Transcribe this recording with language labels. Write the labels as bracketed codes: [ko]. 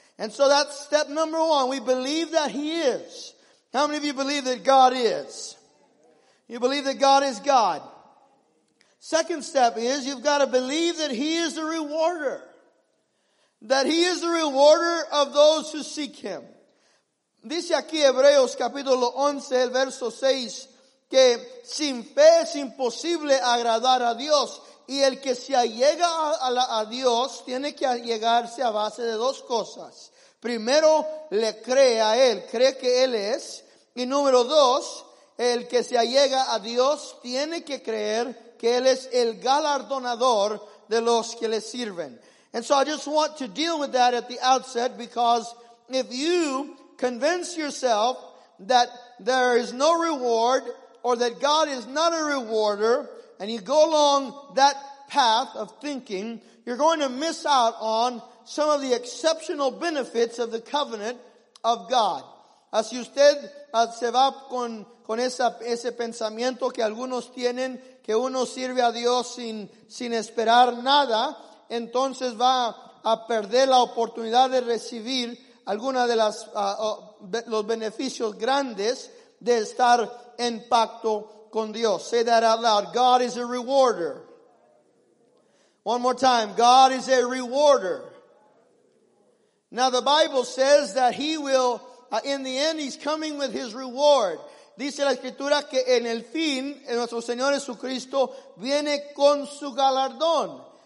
[en] And so that's step number one. We believe that He is. How many of you believe that God is? You believe that God is God. Second step is you've got to believe that He is the rewarder. That He is the rewarder of those who seek Him. [es] Dice aquí Hebreos capítulo 11, el verso 6, que sin fe es imposible agradar a Dios. Y el que se allega a Dios tiene que allegarse a base de dos cosas. Primero, le cree a Él, cree que Él es. Y número dos, el que se allega a Dios tiene que creer que Él es el galardonador de los que le sirven. [en] And so I just want to deal with that at the outset, because if you convince yourself that there is no reward or that God is not a rewarder, and you go along that path of thinking, you're going to miss out on some of the exceptional benefits of the covenant of God. [es] Si usted se va con ese pensamiento que algunos tienen, que uno sirve a Dios sin esperar nada, entonces va a perder la oportunidad de recibir alguna de las los beneficios grandes de estar en pacto con Dios. [en] Say that out loud. God is a rewarder. One more time. God is a rewarder. Now the Bible says that he will, in the end, he's coming with his reward. [es] Dice la Escritura que en el fin, en nuestro Señor Jesucristo, viene con su galardón.